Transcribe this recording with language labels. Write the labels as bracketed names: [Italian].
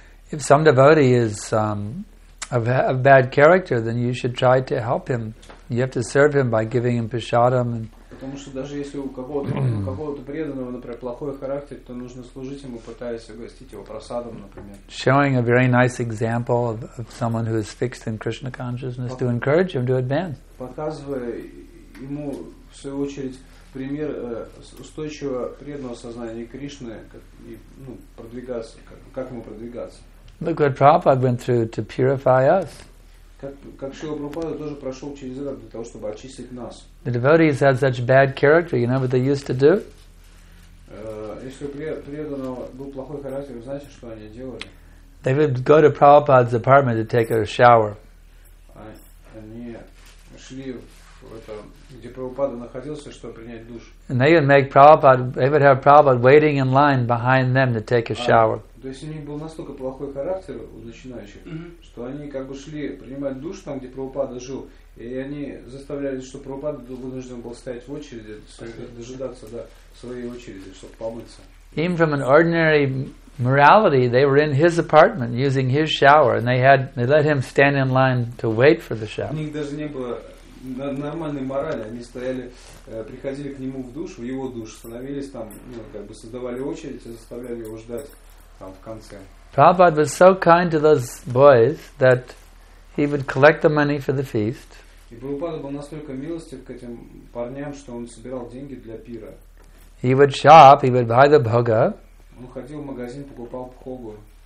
[English] If some devotee is of bad character, then you should try to help him. You have to serve him by giving him prasadam. [Russian] Потому что даже если у кого-то преданного, например, плохой характер, то нужно служить ему, пытаясь угостить его просадом, например. [English] Showing a very nice example of someone who is fixed in Krishna consciousness to encourage him to advance. [Russian] Показывая ему, в свою очередь, пример устойчивого преданного сознания Кришны, продвигаться, как ему продвигаться. [English] Look what Prabhupada went through to purify us. [Russian] Как Шрила Прабхупада тоже прошел через это для того, чтобы очистить нас. [English] The devotees had such bad character, you know what they used to do? [Russian] Если преданного был плохой характер, знаете, что они делали? [English] They would go to Prabhupada's apartment to take a shower. [Russian] Они шли в это, где Прабхупада находился, чтобы принять душ. [English] And they would make Prabhupada, they would have Prabhupada waiting in line behind them to take a shower. [Russian] То есть у них был настолько плохой характер у начинающих, что они как бы шли принимать душ там, где Прабхупада жил, и они заставляли, что Прабхупада вынужден был стоять в очереди, дожидаться своей очереди, чтобы помыться. Им [English] from an ordinary morality, they were in his apartment using his shower, and they let him stand in line to wait for the shower. [Russian] У них даже не было нормальной морали, они стояли, приходили к нему в душ, в его душ, становились там, как бы создавали очередь и заставляли его ждать. [English] Prabhupada was so kind to those boys that he would collect the money for the feast. He would shop, he would buy the bhoga.